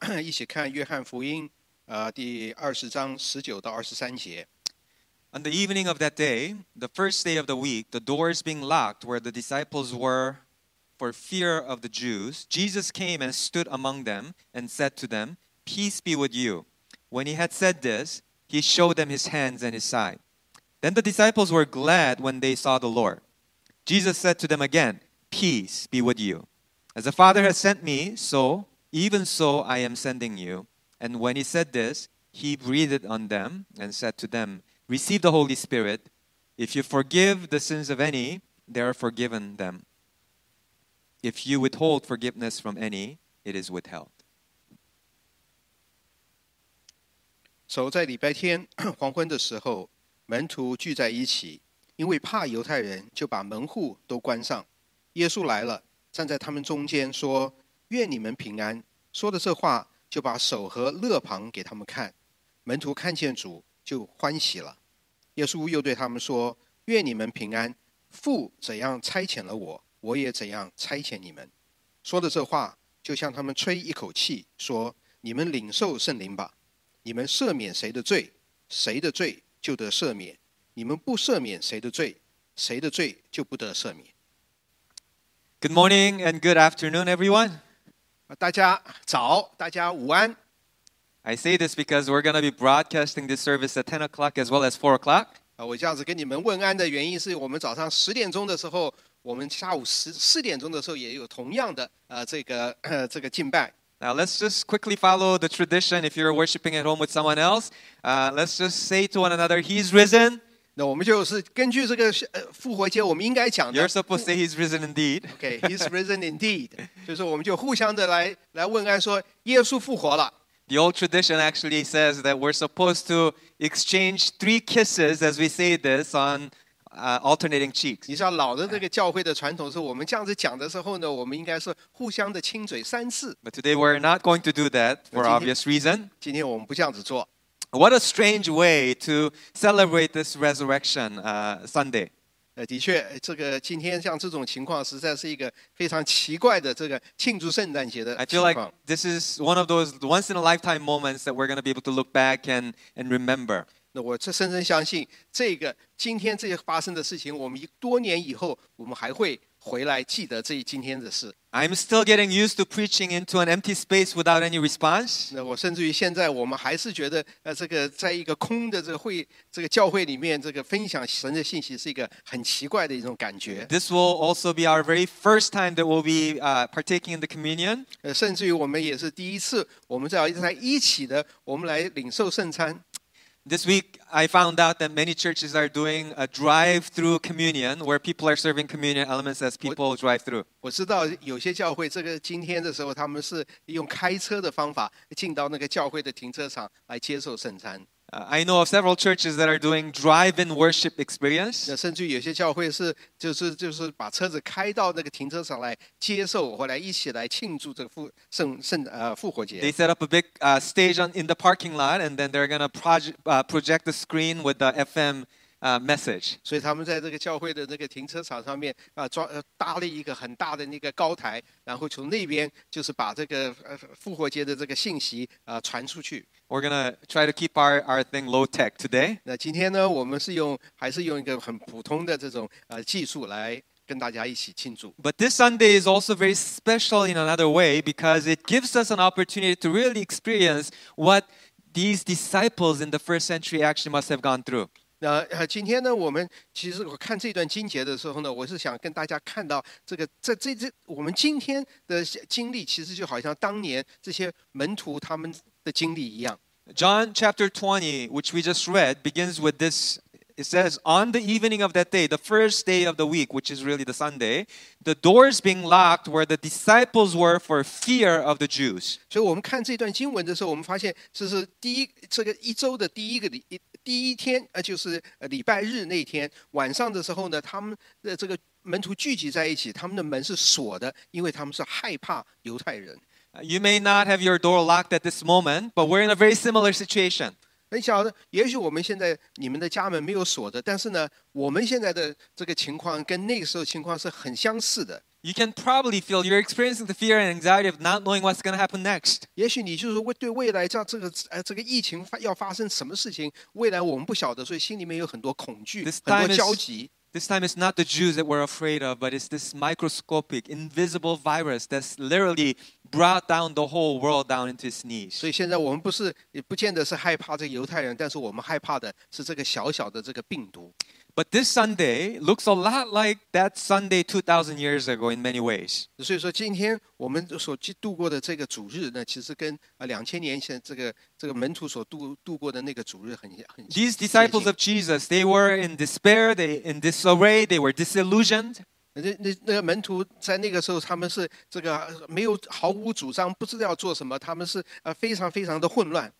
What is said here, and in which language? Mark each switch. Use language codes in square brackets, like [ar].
[zh] 今天早上我们要一起看约翰福音, 第20章19到23节。 [en] On the evening of that day, the first day of the week, the doors being locked where the disciples were for fear of the Jews, Jesus came and stood among them and said to them, "Peace be with you." When he had said this, he showed them his hands and his side. Then the disciples were glad when they saw the Lord. Jesus said to them again, "Peace be with you. As the Father has sent me, so even so, I am sending you." And when he said this, he breathed on them and said to them, "Receive the Holy Spirit. If you forgive the sins of any, they are forgiven them. If you withhold forgiveness from any, it is withheld." [zh] So, 在礼拜天黄昏的时候，门徒聚在一起，因为怕犹太人，就把门户都关上。耶稣来了，站在他们中间，说：“愿你们平安。” 说的这话，就把手和肋旁给他们看。门徒看见主，就欢喜了。耶稣又对他们说：“愿你们平安。” 父怎样差遣了我，我也怎样差遣你们。说的这话，就向他们吹一口气，说：你们领受圣灵吧，你们赦免谁的罪，谁的罪就得赦免；你们不赦免谁的罪，谁的罪就不得赦免。 [en] Good morning and good afternoon, everyone. [zh] 大家早，大家午安。 [en] I say this because we're going to be broadcasting this service at 10 o'clock as well as 4 o'clock. [zh] 我这样子跟你们问安的原因是我们早上十点钟的时候，我们下午四点钟的时候也有同样的这个敬拜。 [en] Now let's just quickly follow the tradition. If you're worshiping at home with someone else, let's just say to one another, He's risen. [zh] 那我们就是根据这个复活节，我们应该讲的。 [en] You're supposed to say He's risen indeed. Okay, He's risen indeed. [zh] 就是我们就互相的来问安说耶稣复活了。 [en] The old tradition actually says that we're supposed to exchange three kisses as we say this on alternating cheeks. [zh] 你知道老的这个教会的传统是我们这样子讲的时候呢，我们应该是互相的亲嘴三次。 [en] But today we're not going to do that for obvious reason. [zh] 今天我们不这样子做。 [en] What a strange way to celebrate this resurrection Sunday. [zh] 的确，这个今天像这种情况，实在是一个非常奇怪的这个庆祝圣诞节的情况。 [en] I feel like this is one of those once in a lifetime moments that we're going to be able to look back and remember. [zh] 那我深深相信，这个今天这些发生的事情，我们多年以后，我们还会回来记得这今天的事。 [en] I'm still getting used to preaching into an empty space without any response. [zh] 那我甚至于现在我们还是觉得这个在一个空的这个会这个教会里面这个分享神的信息是一个很奇怪的一种感觉。 [en] This will also be our very first time that we'll be partaking in the communion. [zh] 甚至于我们也是第一次我们在一起的我们来领受圣餐。 [en] This week, I found out that many churches are doing a drive-through communion, where people are serving communion elements as people drive-through. [zh] 我知道有些教会这个今天的时候，他们是用开车的方法进到那个教会的停车场来接受圣餐。 [en] I know of several churches that are doing drive-in worship experience. [zh] 甚至有些教会是就是把车子开到那个停车场来接受，或来一起来庆祝这个复活节。 [en] They set up a big stage in the parking lot, and then they're going to project the screen with the FM message. [zh] 所以他们在这个教会的那个停车场上面搭了一个很大的那个高台，然后从那边就是把这个复活节的这个信息传出去。 [en] We're going to try to keep our thing low tech today. [zh] 那今天呢，我们是用还是用一个很普通的这种技术来跟大家一起庆祝。 [en] But this Sunday is also very special in another way because it gives us an opportunity to really experience what these disciples in the first century actually must have gone through. [zh] 那今天呢，我们其实我看这段经节的时候呢，我是想跟大家看到这个这我们今天的经历，其实就好像当年这些门徒他们。 [en] John chapter 20, which we just read, begins with this. It says, on the evening of that day, the first day of the week, which is really the Sunday, the doors being locked where the disciples were for fear of the Jews. So we read this passage, we find that this is the first week of the week. [zh] 第一天就是礼拜日那天晚上的时候呢，他们的这个门徒聚集在一起，他们的门是锁的，因为他们是害怕犹太人。 [en] You may not have your door locked at this moment, but we're in a very similar situation. [zh] 你晓得，也许我们现在你们的家门没有锁的，但是呢，我们现在的这个情况跟那个时候情况是很相似的。 [en] You can probably feel you're experiencing the fear and anxiety of not knowing what's going to happen next. [zh] 也许你就是会对未来像这个疫情要发生什么事情，未来我们不晓得，所以心里面有很多恐惧，很多焦急。 [en] This time it's not the Jews that we're afraid of, but it's this microscopic, invisible virus that's literally brought down the whole world down into its knees. [zh] 所以现在我们不见得是害怕这个犹太人，但是我们害怕的是这个小小的这个病毒。 [en] But this Sunday looks a lot like that Sunday 2,000 years ago in many ways. [zh] 所以说今天我们所度过的这个主日呢，其实跟2000年前这个门徒所度过的那个主日很接近。 [en] These disciples of Jesus, they were in despair, they in disarray, they were disillusioned. [zh] 那个门徒在那个时候他们是这个没有毫无主张，不知道要做什么，他们是非常非常的混乱。